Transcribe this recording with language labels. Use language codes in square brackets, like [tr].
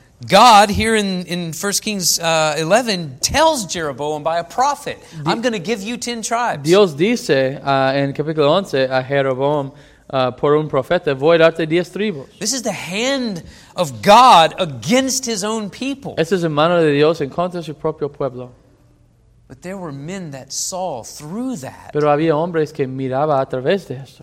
[en] God here in 1 Kings 11 tells Jeroboam by a prophet, I'm going to give you 10 tribes. [es] Dios dice en capítulo 11 a Jeroboam. Por un profeta, voy a darte 10 tribus. [en] This is the hand of God against his own people. [es] Esta es la mano de Dios en contra de su propio pueblo. [en] But there were men that saw through that. [es] Pero había hombres que miraba a través de esto.